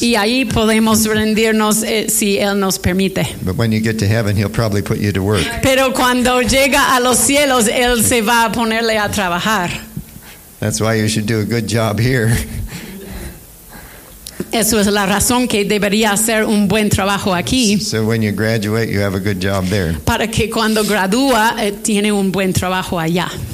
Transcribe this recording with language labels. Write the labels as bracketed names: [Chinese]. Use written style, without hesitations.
[Spanish] Y ahí podemos rendirnos si él nos permite. [English] But when you get to heaven, he'll probably put you to work. [Spanish] Pero cuando llega a los cielos, él se va a ponerle a trabajar. [English] That's why you should do a good job here. [Spanish] Eso es la razón que debería hacer un buen trabajo aquí. [English] So when you graduate, you have a good job there. [Spanish] Para que cuando gradúa, tiene un buen trabajo allá.